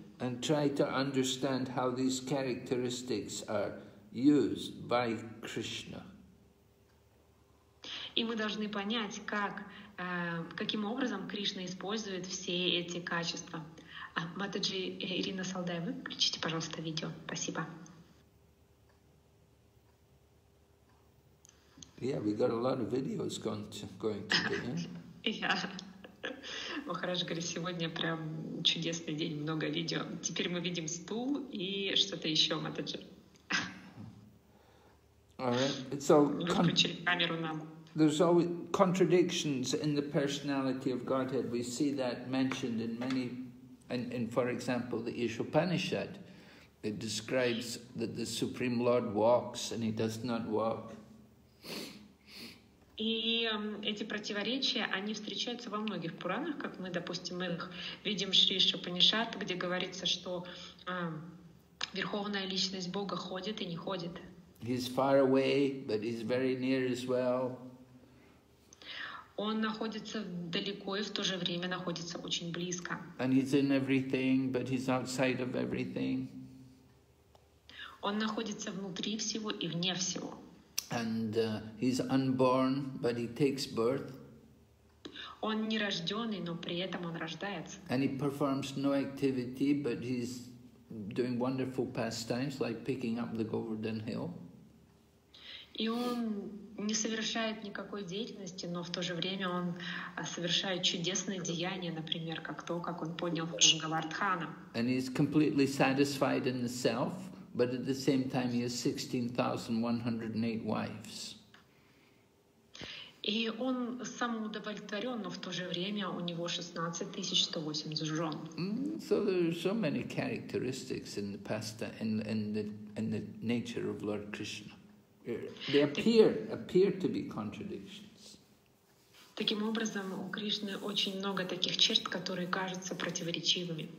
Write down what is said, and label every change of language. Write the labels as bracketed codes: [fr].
[en] And try to understand how these characteristics are used by Krishna. [ru] И мы должны понять, каким образом Кришна использует все эти качества. Матаджи Ирина Салдаева, включите, пожалуйста, видео. Спасибо. [en] Yeah, we got a lot of videos going today. Yeah. [ru] Махарадж говорит, сегодня прям чудесный день, много видео. Теперь мы видим стул и что-то еще, Матаджи. [en] All right. So [ru] выключили камеру нам. [en] There's always contradictions in the personality of Godhead. We see that mentioned in many, in for example, the Ishopanishad. It describes that the Supreme Lord walks and he does not walk. [ru] И эти противоречия, они встречаются во многих пуранах, как мы, допустим, их видим в Шри Шупанишад, где говорится, что Верховная Личность Бога ходит и не ходит. [en] He's far away, but he's very near as well. [ru] Он находится далеко и в то же время находится очень близко. [en] And he's in everything, but he's outside of everything. [ru] Он находится внутри всего и вне всего. [en] And he's unborn, but he takes birth. [ru] Он не рожденный, но при этом он рождается. [en] And he performs no activity, but he's doing wonderful pastimes, like picking up the Govardhan Hill. [ru] И он не совершает никакой деятельности, но в то же время он совершает чудесные деяния, например, как то, как он поднял Гангавардхана. [en] And he's completely satisfied in the self. But at the same time, he has 16,108 wives. [ru] И он самоудовлетворен, но в то же время у него 16,108 жен. [en] So there are so many characteristics in the in the nature of Lord Krishna. They appear to be contradictions. [ru] Таким образом, у Кришны очень много таких черт, которые кажутся противоречивыми.